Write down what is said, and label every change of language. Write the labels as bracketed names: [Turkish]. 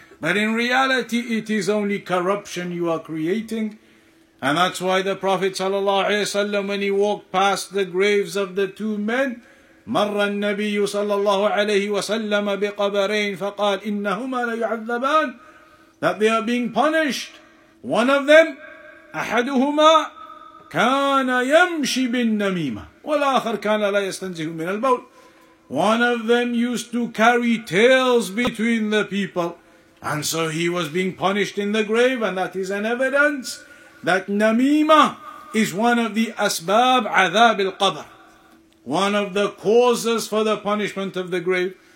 [English] But in reality, it is only corruption you are creating. And that's why the Prophet sallallahu alaihi wasallam, when he walked past the graves of the two men, [Arabic] مر النبي صلى الله عليه وسلم بقبرين فقال إنهما ليعذبان, [English] that they are being punished. One of them, [Arabic] أحدهما كان يمشي بالنميمة والآخر كان لا يستنزه من البول. [English] One of them used to carry tales between the people, and so he was being punished in the grave, and that is an evidence that namima is one of the [Arabic] asbab adhab al-qabr, [English] one of the causes for the punishment of the grave.